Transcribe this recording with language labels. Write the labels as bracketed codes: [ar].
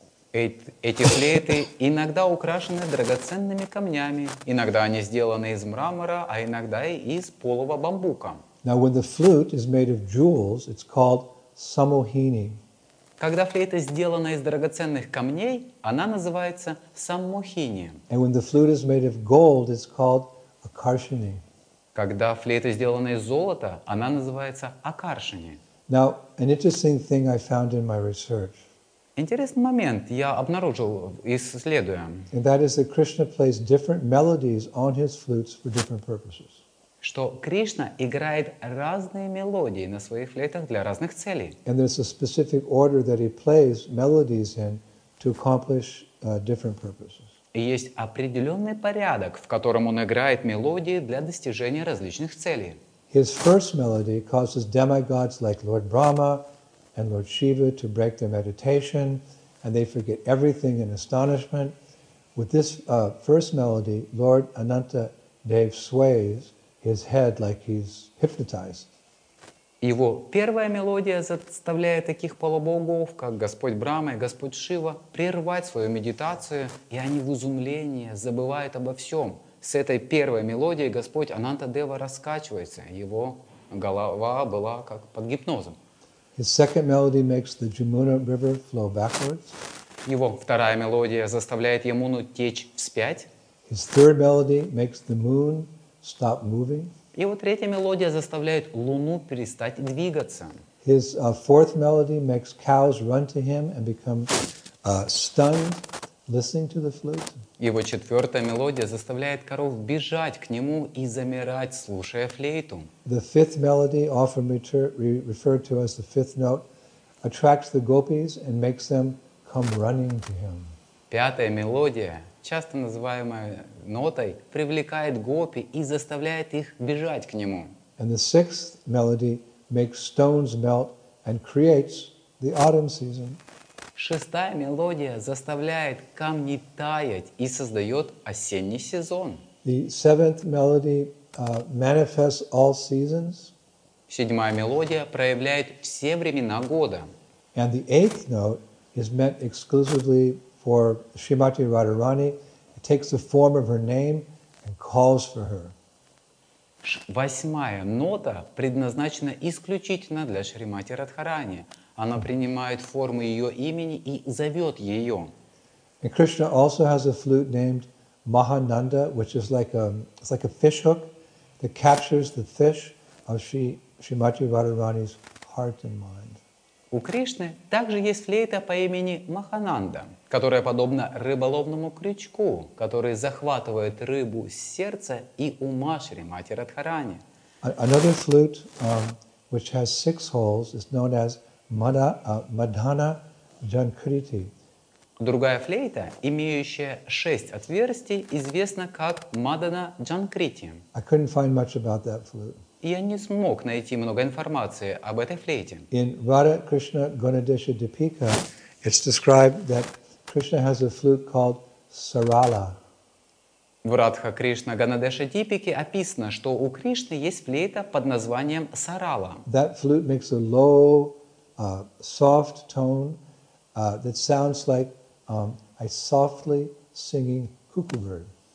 [ru] Эти флейты иногда украшены драгоценными камнями, иногда они сделаны из мрамора, а иногда и из полого бамбука. [en] Now, when the flute is made of jewels, it's called samohini. [ru] Когда флейта сделана из драгоценных камней, она называется саммохини. [en] And when the flute is made of gold, it's called акаршини. [ru] Когда флейта сделана из золота, она называется акаршини. [en] Now, an interesting thing I found in my research. [ru] Интересный момент я обнаружил, исследуя. [en] And that is that Krishna plays different melodies on his flutes for different purposes. [ru] Что Кришна играет разные мелодии на своих флейтах для разных целей. [en] And there's a specific order that he plays melodies in to accomplish different purposes. [ru] И есть определенный порядок, в котором он играет мелодии для достижения различных целей. [en] His first melody causes demigods like Lord Brahma and Lord Shiva to break their meditation, and they forget everything in astonishment. With this first melody, Lord Ananta Dev sways his head like he's hypnotized. [ru] Его первая мелодия заставляет таких полубогов, как Господь Брама и Господь Шива, прервать свою медитацию, и они в изумлении забывают обо всем. С этой первой мелодией Господь Ананта Дева раскачивается. Его голова была как под гипнозом. [en] His second melody makes the Jamuna River flow backwards. [ru] Его вторая мелодия заставляет Ямуну течь вспять. [en] His third melody makes the moon stop moving. [ru] Его третья мелодия заставляет луну перестать двигаться. [en] His fourth melody makes cows run to him and become stunned listening to the flute. [ru] Его четвертая мелодия заставляет коров бежать к нему и замирать, слушая флейту. [en] The fifth melody, often referred to as the fifth note, attracts the gopis and makes them come running to him. [ru] Пятая мелодия, часто называемая нотой, привлекает гопи и заставляет их бежать к нему. [en] And the sixth melody makes stones melt and creates the autumn season. [ru] Шестая мелодия заставляет камни таять и создает осенний сезон. [en] The seventh melody manifests all seasons. [ru] Седьмая мелодия проявляет все времена года. [en] And the eighth note is meant exclusively for Srimati Radharani. It takes the form of her name and calls for her. [ru] Восьмая нота предназначена исключительно для Шримати Радхарани. Она принимает форму ее имени и зовет ее. [en] And Krishna also has a flute named Mahananda, which is like a fish hook that captures the fish of Srimati Radharani's heart and mind. [ru] У Кришны также есть флейта по имени Махананда, которая подобна рыболовному крючку, который захватывает рыбу с сердца и ума Шримати Радхарани. [en] Another flute, which has six holes, is known as Madhana Jankriti. [ru] Другая флейта, имеющая шесть отверстий, известна как Madhana Jankriti. [en] I couldn't find much about that flute. [ru] Я не смог найти много информации об этой флейте. [en] In Radha Krishna Gonadesha Deepika, it's described that Krishna has a flute called Sarala. [ru] В Радха Кришна Ганадеша Дипике описано, что у Кришны есть флейта под названием Сарала. [en] That flute makes a low, soft tone that sounds like a softly singing cuckoo bird.